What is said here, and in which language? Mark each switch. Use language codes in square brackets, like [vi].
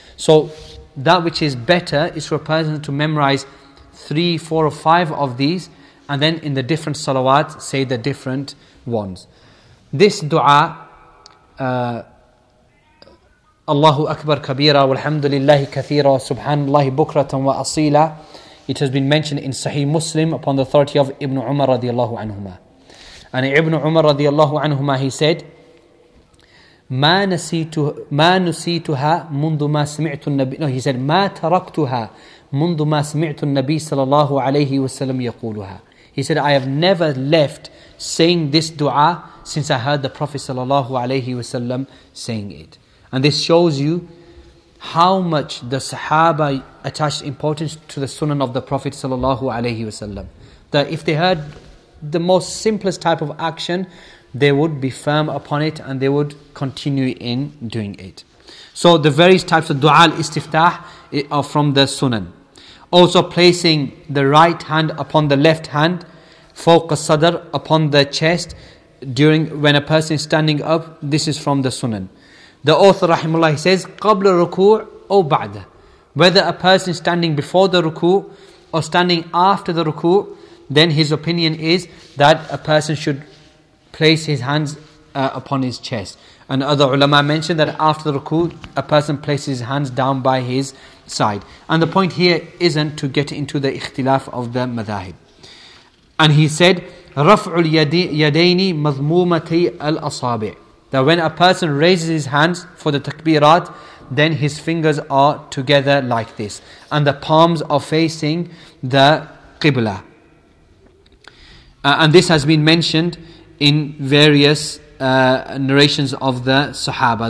[en] So that which is better is for a person to memorize 3, 4, or 5 of these. And then in the different salawat, say the different ones. This dua, [ar] اللَّهُ أَكْبَرْ كَبِيرًا وَالْحَمْدُ لِلَّهِ كَثِيرًا وَسُبْحَانَ اللَّهِ بُكْرَةً وَأَصِيلًا. [en] It has been mentioned in Sahih Muslim upon the authority of Ibn Umar radiallahu anhuma. And Ibn Umar radiallahu anhuma, he said, [ar] ما نسيتها منذ ما سمعت النبي. [en] No, he said, [ar] ما تركتها منذ ما سمعت النبي صلى الله عليه وسلم يقولها. [en] He said, I have never left saying this dua since I heard the Prophet صلى الله عليه وسلم saying it. And this shows you how much the Sahaba attached importance to the Sunan of the Prophet sallallahu alaihi wasallam. That if they heard the most simplest type of action, they would be firm upon it and they would continue in doing it. So the various types of dua al-istiftah are from the Sunan. Also placing the right hand upon the left hand, [ar] فوق الصدر, [en] upon the chest, during when a person is standing up, this is from the Sunan. The author, rahimullah, says, [ar] قبل ركوع أو بعد. [en] Whether a person standing before the ruku' or standing after the ruku', then his opinion is that a person should place his hands upon his chest. And other ulama mentioned that after the ruku', a person places his hands down by his side. And the point here isn't to get into the ikhtilaf of the madhahib. And he said, [ar] رَفْعُ الْيَدَيْنِ مَضْمُومَتَيْ الْأَصَابِعِ. [en] That when a person raises his hands for the takbirat, then his fingers are together like this. And the palms are facing the qibla. And this has been mentioned in various narrations of the Sahaba.